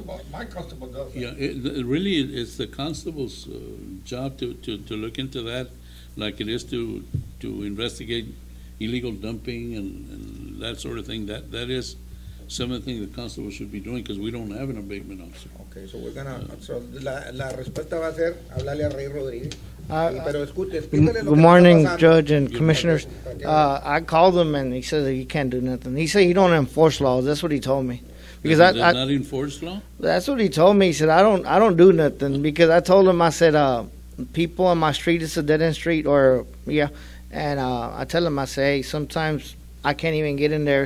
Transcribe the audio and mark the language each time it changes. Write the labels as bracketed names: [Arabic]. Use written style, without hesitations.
[English] My constable does that. Yeah, it's the constable's job to look into that, like it is to investigate illegal dumping and that sort of thing. That is some of the things the constable should be doing, because we don't have an abatement officer. Okay, so [Spanish] la respuesta va a ser hablarle a Rey Rodríguez. [English] Good morning, Judge and Commissioners. I called him and he said that he can't do nothing. He said he don't enforce laws. That's what he told me. Because does not enforce law? That's what he told me. He said, I don't do nothing. Because I told him, I said, people on my street, it's a dead end street. I tell him, I say, hey, sometimes I can't even get in there.